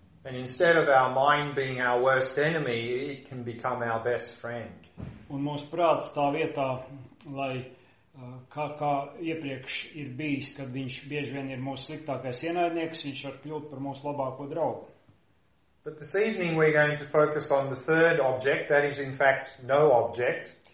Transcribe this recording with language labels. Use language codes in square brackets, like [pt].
[en] And instead of our mind being our worst enemy, it can become our best friend. [lv] Un mūsu prāts tā vietā, lai kā iepriekš ir bijis, kad viņš bieži vien ir mūsu sliktākais ienaidnieks, viņš var kļūt par mūsu labāko draugu. [en] But this evening we're going to focus on the third object, that is in fact no object.